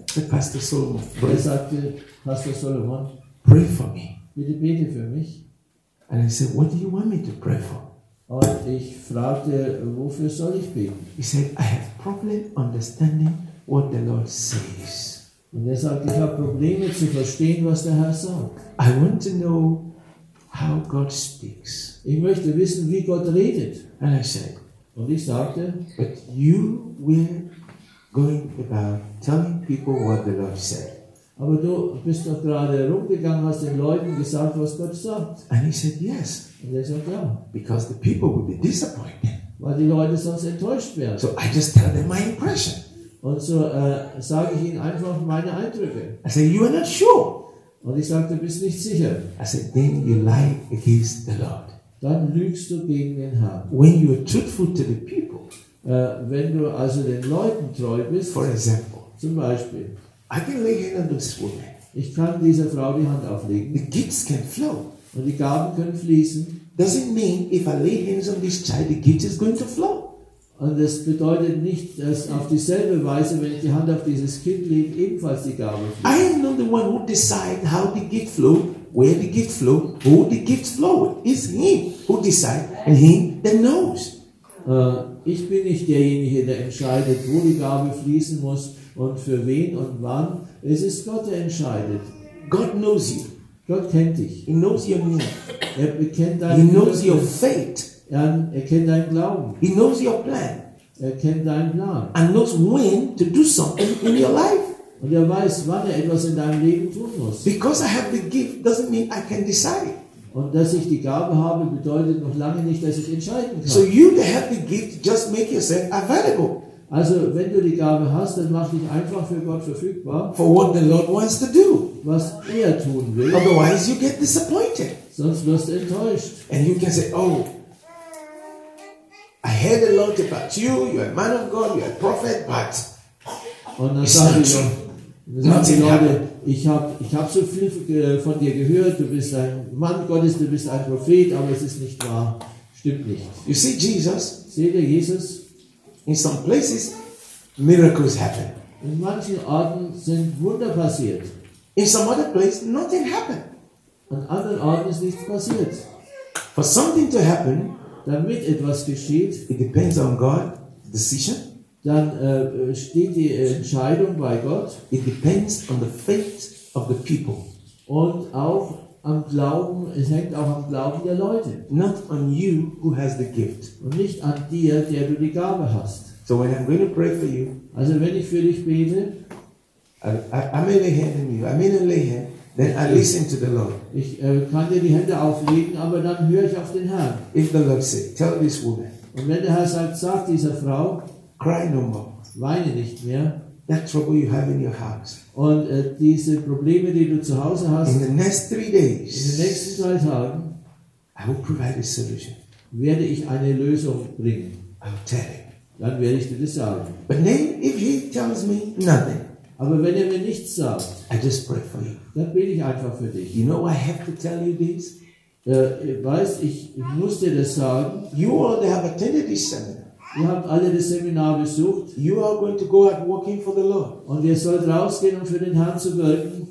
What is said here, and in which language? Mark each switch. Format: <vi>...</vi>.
<en>The Pastor Solomon.</en> <de>Er sagte, Pastor Solomon,</de> <en>pray for me.</en> <de>Bitte bete für mich.</de> <en>And I said, what do you want me to pray for?</en> <de>Und ich fragte, wofür soll ich beten?</de> <en>He said, I have problem understanding what the Lord says.</en> <de>Und er sagt, ich habe Probleme zu verstehen, was der Herr sagt.</de> <en>I want to know how God speaks.</en> <de>Ich möchte wissen, wie Gott redet.</de> <en>And I said,</en> <de>und ich sagte,</de> <en>but you were going about telling people what the Lord said.</en> <de>Aber du bist doch gerade rumgegangen, hast den Leuten gesagt, was Gott sagt.</de> <en>And he said, yes.</en> <de>Und er sagt, ja.</de> <en>Because the people would be disappointed.</en> <de>Weil die Leute sonst enttäuscht werden.</de> <en>So I just tell them my impression.</en> <de>Und so sage ich ihnen einfach meine Eindrücke.</de> <en>I said, you are not sure.</en> <de>Und ich sagte, du bist nicht sicher.</de> <en>I said, then you lie against the Lord.</en> <de>Dann lügst du gegen den Herrn.</de> <en>When you are truthful to the people.</en> <de>Wenn du also den Leuten treu bist.</de> <en>For example.</en> <de>Zum Beispiel.</de> <en>I can lay hand on this woman.</en> <de>Ich kann dieser Frau die Hand auflegen.</de> <en>The gifts can flow.</en> <de>Und die Gaben können fließen.</de> <en>Does it mean if I lay hands on this child, the gift is going to flow?</en> <de>Und das bedeutet nicht, dass auf dieselbe Weise, wenn ich die Hand auf dieses Kind lege, ebenfalls die Gabe fließt.</de> <en>I am not the one who decides how the gift flow, where the gift flow, who the gift flow. It's him who decides, and him that knows.</en> <de>Ich bin nicht derjenige, der entscheidet, wo die Gabe fließen muss. Und für wen und wann? Es ist Gott, der entscheidet.</de> <en>God knows you.</en> <de>Gott kennt dich.</de> <en>He knows your name.</en> <de>Er kennt dein</de> <en>He knows your fate.</en> <de>Er kennt dein Glauben.</de> <en>He knows your plan.</en> <de>Er kennt dein Plan.</de> <en>And knows when to do something in your life.</en> <de>Und er weiß, wann er etwas in deinem Leben tun muss.</de> <en>Because I have the gift doesn't mean I can decide.</en> <de>Und dass ich die Gabe habe, bedeutet noch lange nicht, dass ich entscheiden kann.</de> <en>So you that have the gift just make yourself available.</en> <de>Also, wenn du die Gabe hast, dann mach dich einfach für Gott verfügbar.</de> <en>For what the Lord wants to do.</en> <de>Was er tun will.</de> <en>Otherwise you get disappointed.</en> <de>Sonst wirst du enttäuscht.</de> <en>And you can say, oh, I heard a lot about you, you're a man of God, you're a prophet, but</en> <de>und dann sagen die Leute, ich hab so viel von dir gehört, du bist ein Mann Gottes, du bist ein Prophet, aber es ist nicht wahr. Stimmt nicht.</de> <en>You see Jesus?</en> <de>Seht ihr Jesus?</de> <en>In some places, miracles happen.</en> <de>In manchen Orten sind Wunder passiert.</de> <en>In some other place, nothing happened.</en> <de>An anderen Orten ist nichts passiert.</de> <en>For something to happen,</en> <de>damit etwas geschieht,</de> <en>it depends on God's decision.</en> <de>Dann steht die Entscheidung bei Gott.</de> <en>It depends on the faith of the people.</en> <de>Und auch am Glauben, es hängt auch am Glauben der Leute.</de> <en>Not on you who has the gift.</en> <de>Und nicht an dir, der du die Gabe hast.</de> <en>So when I'm going to pray for you,</en> <de>also wenn ich für dich bete,</de> <en>I may lay hand on you, then I listen to the Lord.</en> <de>Ich kann dir die Hände auflegen, aber dann höre ich auf den Herrn.</de> <en>If the Lord said, tell this woman.</en> <de>Und wenn der Herr sagt, sag dieser Frau,</de> <en>cry no more.</en> <de>Weine nicht mehr.</de> <en>That trouble you have in your house.</en> <de>Und diese Probleme, die du zu Hause hast,</de> <en>in the next 3 days,</en> <de>in den nächsten 3 Tagen,</de> <en>I will provide a solution.</en> <de>Werde ich eine Lösung bringen.</de> <en>I'll tell him.</en> <de>Dann werde ich dir das sagen.</de> <en>But then, if he tells me nothing,</en> <de>aber wenn er mir nichts sagt,</de> <en>I just pray for you.</en> <de>Dann bete ich einfach für dich.</de> <en>You know, I have to tell you this.</en> <de>Weißt, ich muss dir das sagen.</de> <en>You all have attended this seminar.</en> <de>Ihr habt alle das Seminar besucht.</de> <en>You are going to go out working for the Lord.</en> <de>Und ihr sollt rausgehen, um für den Herrn zu wirken.</de>